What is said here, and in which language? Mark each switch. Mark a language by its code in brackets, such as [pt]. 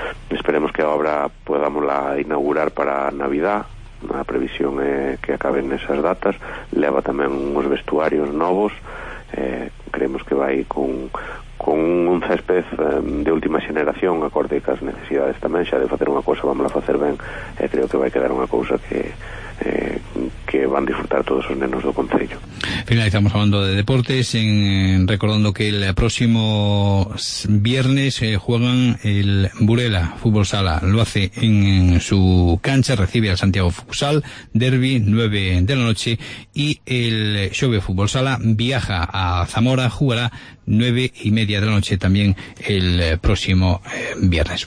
[gl] Esperemos que a obra podamos la inaugurar para Navidad. A previsión é que acaben esas datas. Leva tamén uns vestuarios novos, creemos que vai con un césped de última xeración, acorde cas necesidades tamén. Xa de facer unha cousa, vamos a facer ben, creo que vai quedar unha cousa que van disfrutar todos os nenos do concello. [es] Finalizamos hablando de deportes, recordando que el próximo viernes juegan el Burela Fútbol Sala, lo hace en su cancha, recibe al Santiago Futsal, derbi 9 de la noche, y el Xove Fútbol Sala viaja a Zamora, jugará 9:30 de la noche también el próximo viernes.